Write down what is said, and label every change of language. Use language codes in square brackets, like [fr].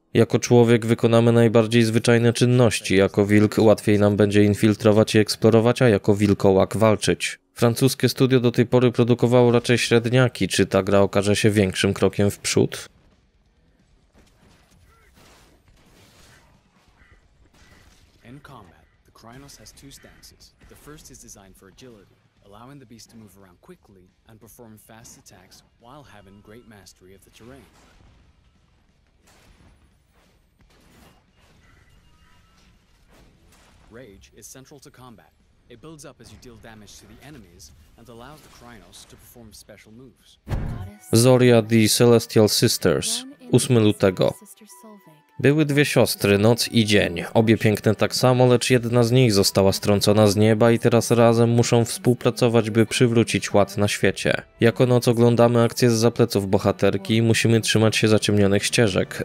[pl] Jako człowiek wykonamy najbardziej zwyczajne czynności, jako wilk łatwiej nam będzie infiltrować i eksplorować, a jako wilkołak walczyć. Francuskie studio do tej pory produkowało raczej średniaki, czy ta gra okaże się większym krokiem w przód? [en] In combat, the Krynos has two stances. The first is designed for agility, allowing the beast to move around quickly and perform fast attacks while having great mastery of the terrain. Rage is central to combat. It builds up as you deal damage to the enemies and allows the Krynos to perform special moves. [pl] Zoria the Celestial Sisters, 8 lutego. Były dwie siostry, noc i dzień. Obie piękne tak samo, lecz jedna z nich została strącona z nieba i teraz razem muszą współpracować, by przywrócić ład na świecie. Jako noc oglądamy akcję z zapleców bohaterki i musimy trzymać się zaciemnionych ścieżek.